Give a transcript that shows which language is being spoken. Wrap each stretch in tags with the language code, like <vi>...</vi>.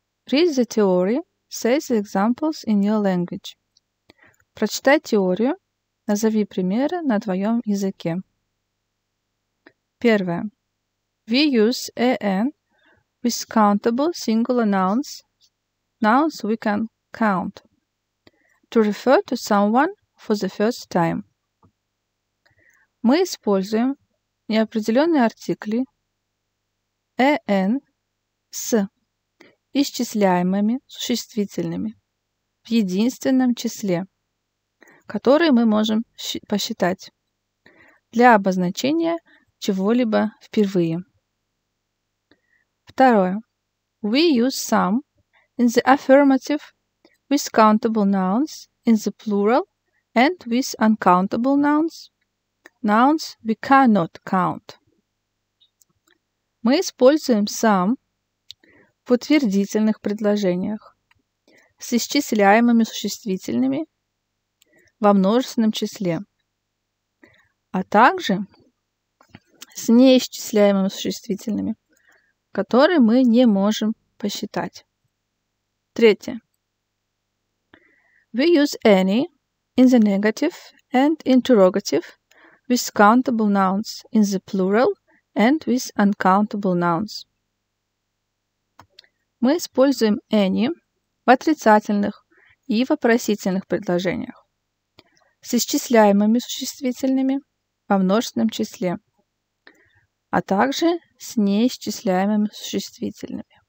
<en>Read the theory, say the examples in your language.</en> <ru>Прочитай теорию, назови примеры на твоем языке. Первое.</ru> <en>We use an with countable singular nouns, nouns we can count, to refer to someone for the first time.</en> <ru>Мы используем неопределенные артикли an с исчисляемыми существительными в единственном числе, которые мы можем посчитать для обозначения чего-либо впервые. Второе.</ru> <en>We use some in the affirmative with countable nouns in the plural and with uncountable nouns, nouns we cannot count.</en> <ru>Мы используем some в утвердительных предложениях с исчисляемыми существительными во множественном числе, а также с неисчисляемыми существительными, которые мы не можем посчитать. Третье.</ru> <en>We use any in the negative and interrogative with countable nouns in the plural and with uncountable nouns.</en> <ru>Мы используем any в отрицательных и вопросительных предложениях с исчисляемыми существительными во множественном числе, а также с неисчисляемыми существительными.</ru>